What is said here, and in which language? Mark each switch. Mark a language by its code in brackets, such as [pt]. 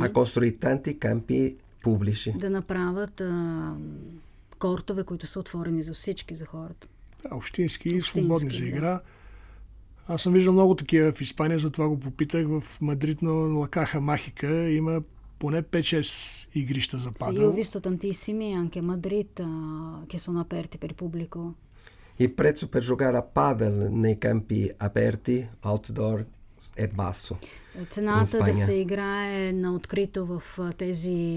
[it] A costruire tanti campi pubblici. [bg] Да направят кортове, които са отворени за всички, за хората. Да, общински и свободни за игра. Аз съм виждал много такива в Испания, затова го попитах. В Мадрид на Лакаха Махика има поне 5-6 игрища за падел. [it] Sì, ho visto tantissimi anche a Madrid che sono aperti per il pubblico. Il prezzo per giocare a padel nei campi aperti, outdoor, è basso. [bg] Цената да се играе на открито в тези.